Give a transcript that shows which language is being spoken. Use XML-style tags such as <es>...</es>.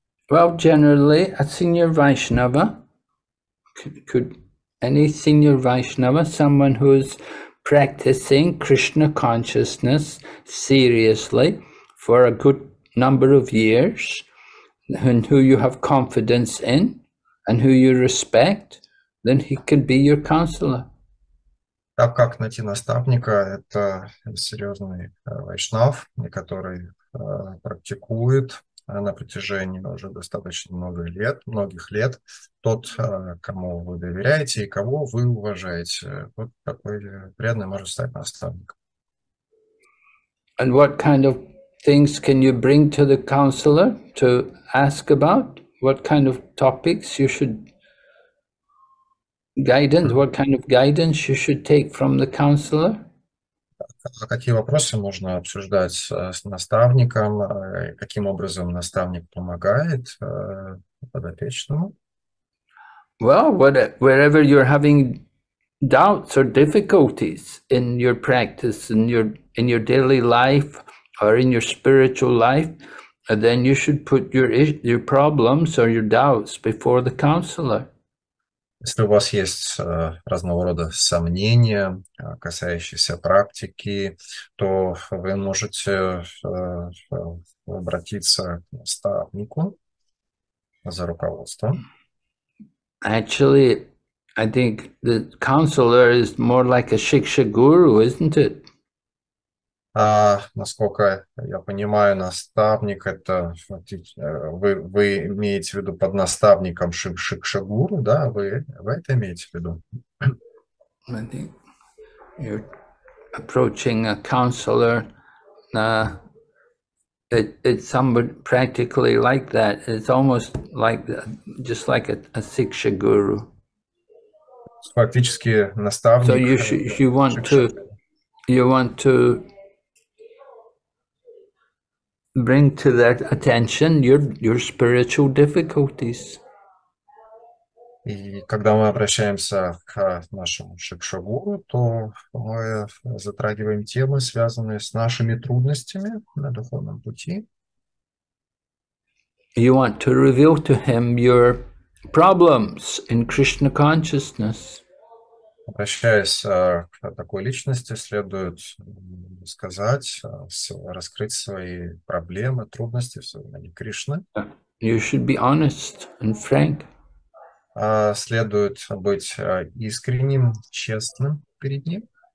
<en>Well, generally, a senior Vaishnava, could any senior Vaishnava, someone who's practicing Krishna consciousness seriously for a good number of years, and who you have confidence in, and who you respect, then he could be your counselor.</en> <ru>Так как найти наставника, это серьезный вайшнав, который практикует на протяжении уже достаточно многих лет, тот, кому вы доверяете и кого вы уважаете. Вот такой преданный может стать наставником.</ru> <en>And what kind of things can you bring to the counselor to ask about? What kind of topics you should guidance, what kind of guidance you should take from the counselor?</en> <ru>Какие вопросы можно обсуждать с наставником, каким образом наставник помогает подопечному?</ru> <en>Well, wherever you're having doubts or difficulties in your practice, in your daily life or in your spiritual life, then you should put your problems or your doubts before the counselor.</en> <ru>Если у вас есть разного рода сомнения, касающиеся практики, то вы можете обратиться к наставнику за руководством.</ru> <en>Actually, I think the counselor is more like a shiksha guru, isn't it?</en> <ru>Насколько я понимаю, наставник это вы имеете в виду под наставником шикшагуру, да? Вы это имеете в виду?</ru> <en>I think you're approaching a counselor. It's somebody practically like that. It's almost like just like a shikshaguru.</en> <ru>Фактически наставник.</ru> <en>So you want to bring to their attention your spiritual difficulties.</en> <ru>И когда мы обращаемся к нашему шикшагуру, то мы затрагиваем темы, связанные с нашими трудностями на духовном пути.</ru> <en>You want to reveal to him your problems in Krishna consciousness.</en> <ru>Обращаясь к такой личности, следует сказать, раскрыть свои проблемы, трудности в сознании Кришны.</ru> <en>You should be honest and frank.</en> <ru>Следует быть искренним, честным перед ним.</ru>